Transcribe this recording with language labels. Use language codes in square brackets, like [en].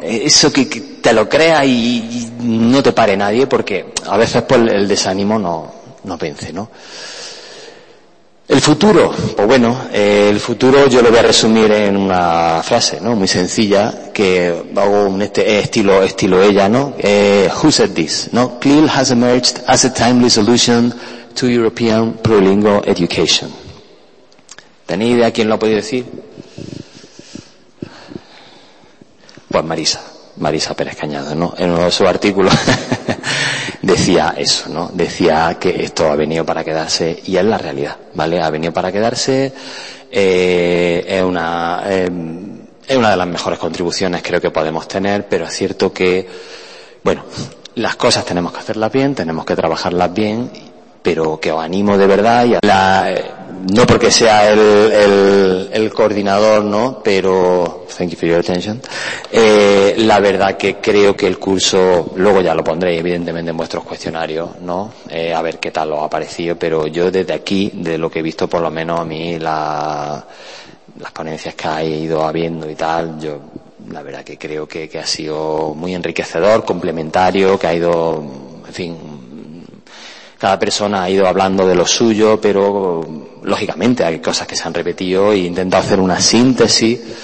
[es] Eso que te lo creas y no te pare nadie, porque a veces pues el desánimo no vence, ¿no? El futuro, pues bueno, el futuro yo lo voy a resumir en una frase, ¿no? Muy sencilla, que hago un estilo ella, ¿no? [en] Who said this, [es] ¿no? [en] CLIL has emerged as a timely solution to European plurilingual education. [es] ¿Tenéis idea quién lo ha podido decir? Pues Marisa Pérez Cañado, ¿no? En uno de sus artículos decía eso, ¿no? Decía que esto ha venido para quedarse y es la realidad, ¿vale? Ha venido para quedarse, es una de las mejores contribuciones creo que podemos tener, pero es cierto que, bueno, las cosas tenemos que hacerlas bien, tenemos que trabajarlas bien. Pero que os animo de verdad, y no porque sea el coordinador, ¿no? [en] Pero, thank you for your attention. [es] La verdad que creo que el curso, luego ya lo pondréis evidentemente en vuestros cuestionarios, ¿no? A ver qué tal os ha parecido, pero yo desde aquí, de lo que he visto por lo menos a mí, las ponencias que ha ido habiendo y tal, yo la verdad que creo que ha sido muy enriquecedor, complementario, que ha ido, en fin, cada persona ha ido hablando de lo suyo, pero lógicamente hay cosas que se han repetido e intento hacer una síntesis.